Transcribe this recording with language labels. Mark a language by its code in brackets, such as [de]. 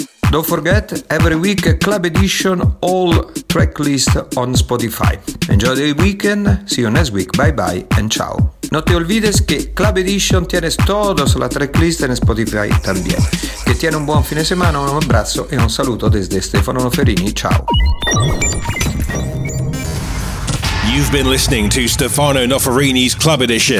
[en] Don't forget, every week Club Edition, all track list on Spotify. Enjoy the weekend, see you next week, bye bye and ciao. [es] No te olvides que Club Edition tienes todos la track list en Spotify también. Que tiene un buen fin de semana, un abrazo y un saludo desde Stefano Noferini, ciao. [en] You've been listening to Stefano Noferini's Club Edition.